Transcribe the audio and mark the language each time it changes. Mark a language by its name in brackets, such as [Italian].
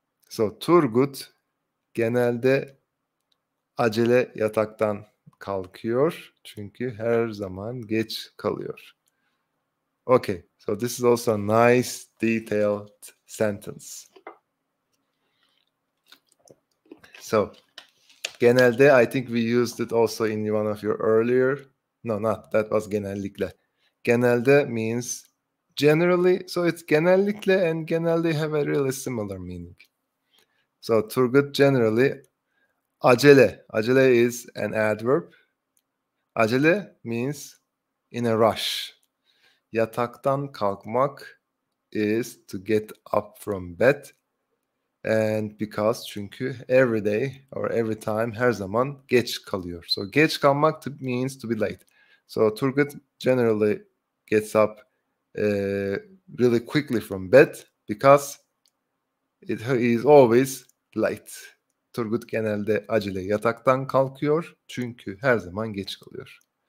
[Turkish] So Turgut genelde acele yataktan kalkıyor çünkü her zaman geç kalıyor. [English] Okay, so this is also a nice detailed sentence. So genelde, I think we used it also in one of your earlier. No, not that was genellikle. Genelde means generally. So it's genellikle and genelde have a really similar meaning. So Turgut generally acele. Acele is an adverb. Acele means in a rush. Yataktan kalkmak is to get up from bed. And because çünkü every day or every time [Turkish] her zaman geç kalıyor. [English] So geç kalmak means to be late. So Turgut generally gets up really quickly from bed because it is always late. [Turkish] Turgut genelde acele yataktan kalkıyor çünkü her zaman geç kalıyor.